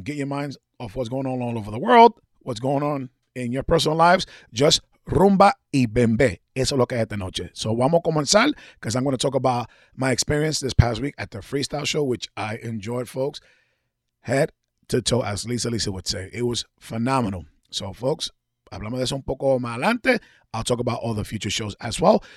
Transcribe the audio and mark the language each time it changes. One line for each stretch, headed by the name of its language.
English: Get your minds off what's going on all over the world, what's going on in your personal lives. Just rumba y bembe. Eso es lo que hay esta noche. So vamos a comenzar, because I'm going to talk about my experience this past week at the freestyle show, which I enjoyed, folks. Head to toe, as Lisa would say. It was phenomenal.
Spanish: So, folks, hablamos de eso un poco más adelante.
English: I'll talk about all the future shows as well.